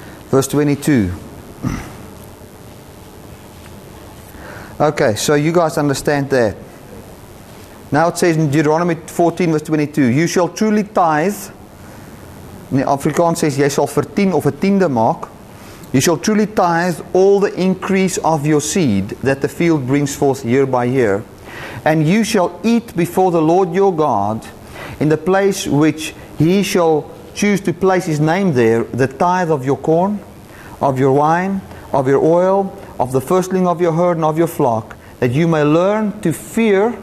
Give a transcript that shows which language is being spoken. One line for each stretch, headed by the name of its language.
English: Verse 22. Okay, so you guys understand that. Now it says in Deuteronomy 14 verse 22, you shall truly tithe. In the Afrikaans says,
Afrikaans: jy sal vertien of 'n tiende maak.
English: You shall truly tithe all the increase of your seed that the field brings forth year by year. And you shall eat before the Lord your God in the place which He shall choose to place His name there, the tithe of your corn, of your wine, of your oil, of the firstling of your herd and of your flock, that you may learn to fear.